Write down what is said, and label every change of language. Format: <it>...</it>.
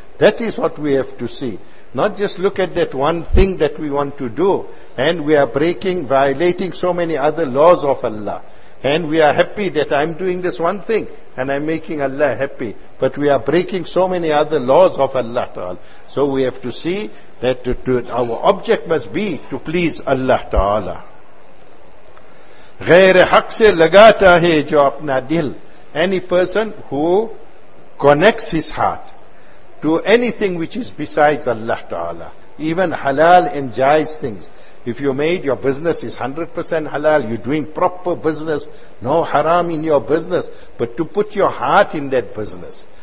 <en>That is what we have to see. Not just look at that one thing that we want to do, and we are breaking, violating so many other laws of Allah. And we are happy that I'm doing this one thing, and I'm making Allah happy. But we are breaking so many other laws of Allah Ta'ala. So we have to see that our object must be to please Allah Ta'ala.</en> <ur>غیر حق سے لگاتا ہے جو اپنا دل.</ur> <en>Any person who connects his heart to anything which is besides Allah Ta'ala. Even halal and jais things. If you made your business is 100% halal, you're doing proper business, no haram in your business, but to put your heart in that business.</en>